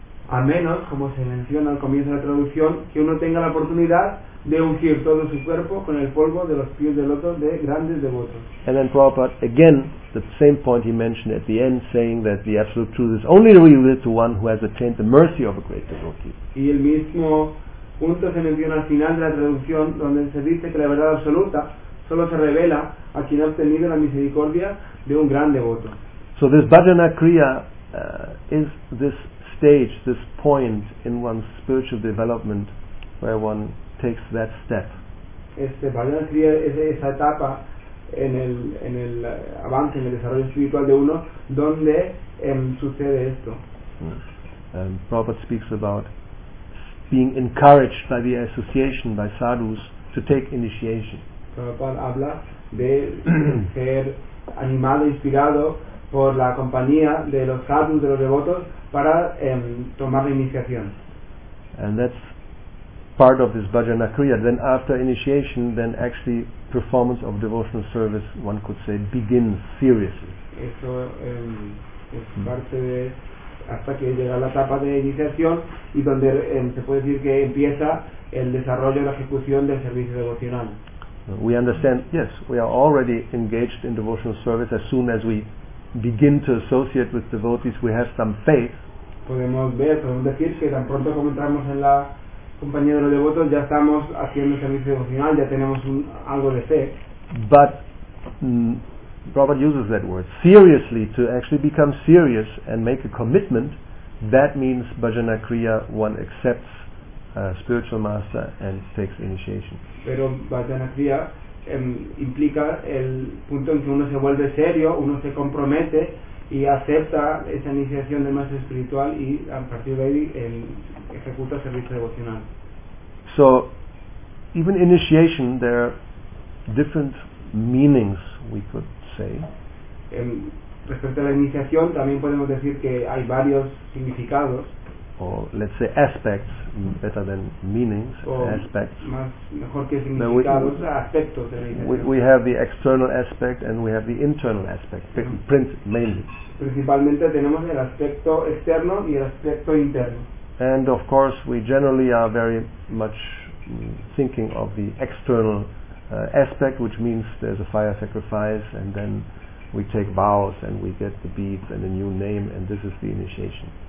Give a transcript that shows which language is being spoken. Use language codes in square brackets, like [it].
[es] A menos, como se menciona al comienzo de la traducción, que uno tenga la oportunidad de ungir todo su cuerpo con el polvo de los pies de loto de grandes devotos. [en] And then Prabhupada, again, the same point he mentioned at the end, saying that the absolute truth is only revealed to one who has attained the mercy of a great devotee. [es] Y el mismo punto se menciona al final de la traducción, donde se dice que la verdad absoluta solo se revela a quien ha obtenido la misericordia de un gran devoto. [en] So this bhajana kriya is this stage, this point in one's spiritual development where one takes that step. [es] Este bhajana kriya es esa etapa en el avance, en el desarrollo espiritual de uno, donde sucede esto. [en] Prabhupada speaks about being encouraged by the association, by sadhus, to take initiation. [es] Prabhupada habla de ser animado, inspirado por la compañía de los sadhus, de los devotos, para tomar la iniciación. [en] And that's part of this bhajana kriya. Then after initiation, then actually performance of devotional service, one could say, begins seriously. [es] Eso es parte de hasta que llega la etapa de iniciación y donde se puede decir que empieza el desarrollo, la ejecución del servicio devocional. [en] We understand, yes, we are already engaged in devotional service. As soon as we begin to associate with devotees, we have some faith. [es] Podemos ver, podemos decir que tan pronto como entramos en la compañía de los devotos, ya estamos haciendo servicio devocional, ya tenemos algo de fe. [en] But Prabhupada uses that word, seriously, to actually become serious and make a commitment, that means bhajana kriya, one accepts a spiritual master and takes initiation. [es] Pero bhajana kriya implica el punto en que uno se vuelve serio, uno se compromete y acepta esa iniciación del maestro espiritual y a partir de ahí ejecuta servicio devocional. [en] So, even initiation, there are different meanings, we could say. [es] Respecto a la iniciación, también podemos decir que hay varios significados. [en] Or let's say aspects, better than meanings, aspects. We have the external aspect and we have the internal aspect, mainly. [es] Principalmente tenemos el aspecto externo y el aspecto interno. [en] And of course we generally are very much thinking of the external aspect, which means there's a fire sacrifice and then we take vows and we get the beads and a new name, and this is the initiation.